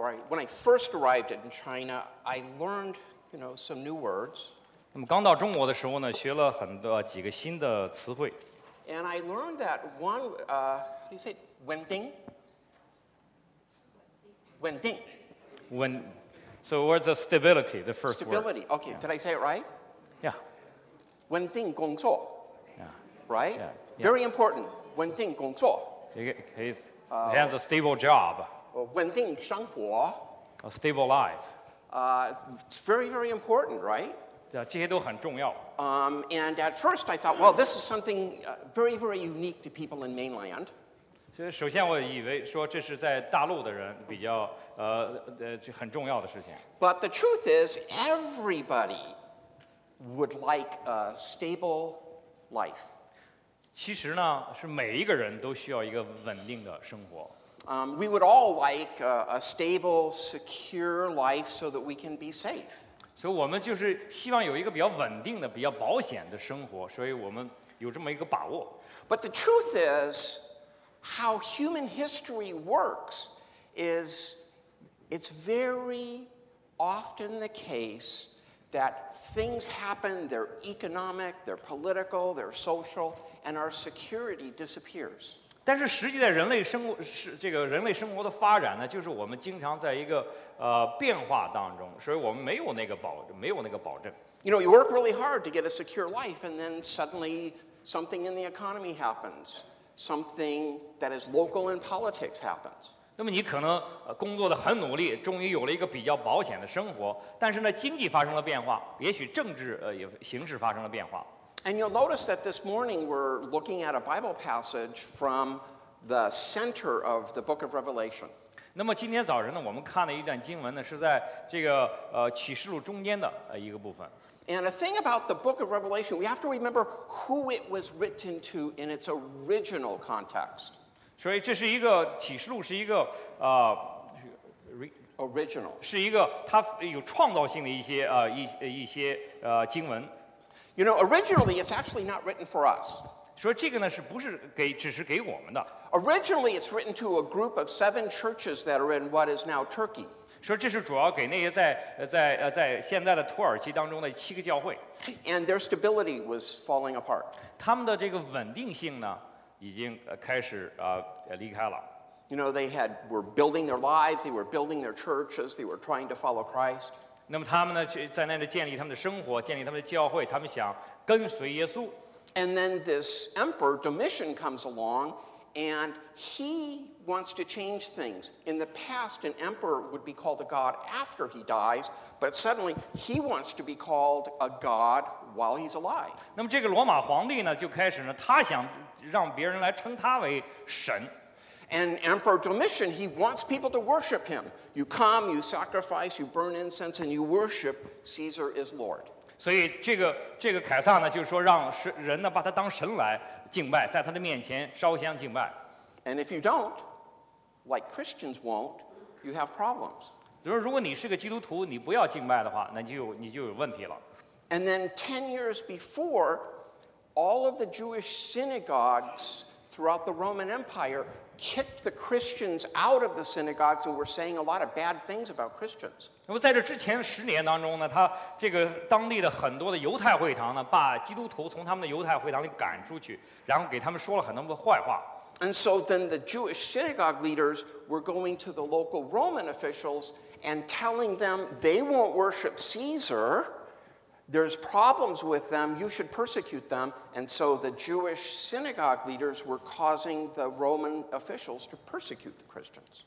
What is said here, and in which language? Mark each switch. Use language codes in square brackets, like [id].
[en] when I first arrived in China, I learned, you know, some new words. [zh] 那么刚到中国的时候呢，学了很多几个新的词汇。 [en] And I learned that one, how do you say, Wending? [zh] Wending. [en] When, so where's the stability, the first stability. word? Stability, okay, did I say it right? Yeah. [zh] Wending 工作 [en] right? Yeah. Very important, [zh] Wending 工作 [en] He's, he has a stable job. [zh] Wending 生活 [en] A stable life. It's very, very important, right? [zh] 这些都很重要。 [en] And at first I thought, well, this is something very, very unique to people in mainland. [zh] 首先我以为说这是在大陆的人比较很重要的事情。 [en] But the truth is, everybody would like a stable life. [zh] 其实呢，是每一个人都需要一个稳定的生活。 [en] We would all like a stable, secure life so that we can be safe. [zh] 所以我们就是希望有一个比较稳定的、比较保险的生活，所以我们有这么一个把握。 [en] But the truth is, how human history works is, it's very often the case that things happen, they're economic, they're political, they're social, and our security disappears. [zh] 但是实际在人类生活是这个人类生活的发展呢，就是我们经常在一个变化当中，所以我们没有那个保没有那个保证。 [en] You know, you work really hard to get a secure life, and then suddenly something in the economy happens, something that is local in politics happens. [zh] 那么你可能工作的很努力，终于有了一个比较保险的生活，但是呢，经济发生了变化，也许政治也形势发生了变化。 [en] And you'll notice that this morning we're looking at a Bible passage from the center of the book of Revelation. [zh] 那么今天早晨呢，我们看了一段经文呢，是在这个启示录中间的一个部分。 [en] And a thing about the book of Revelation, we have to remember who it was written to in its original context. [zh] 所以这是一个启示录，是一个 [en] original， [zh] 是一个它有创造性的一些一些经文。 [en] You know, originally, it's actually not written for us. [zh] 说这个呢是不是给只是给我们的 [en] Originally, it's written to a group of seven churches that are in what is now Turkey. [zh] 说这是主要给那些在现在的土耳其当中的七个教会 [en] And their stability was falling apart. [zh] 他们的这个稳定性呢，已经开始离开了 [en] You know, they had were building their lives, they were building their churches, they were trying to follow Christ. [zh] 那么他们呢，在那里建立他们的生活，建立他们的教会，他们想跟随耶稣。 [en] And then this emperor Domitian comes along, and he wants to change things. In the past, an emperor would be called a god after he dies, but suddenly he wants to be called a god while he's alive. [zh] 那么这个罗马皇帝呢，就开始呢，他想让别人来称他为神。 [en] And Emperor Domitian, he wants people to worship him. You come, you sacrifice, you burn incense, and you worship Caesar as Lord. [zh] 所以这个凯撒呢，就是说让人呢把他当神来敬拜，在他的面前烧香敬拜。 [en] And if you don't, like Christians won't, you have problems. [zh] 就是如果你是个基督徒，你不要敬拜的话，那你就有问题了。 [en] And then 10 years before, all of the Jewish synagogues throughout the Roman Empire. Kicked the Christians out of the synagogues and were saying a lot of bad things about Christians. [zh] 那么在这之前十年当中呢，他这个当地的很多的犹太会堂呢，把基督徒从他们的犹太会堂里赶出去，然后给他们说了很多的坏话。 [en] And so then the Jewish synagogue leaders were going to the local Roman officials and telling them they won't worship Caesar. There's problems with them. You should persecute them. And so the Jewish synagogue leaders were causing the Roman officials to persecute the Christians.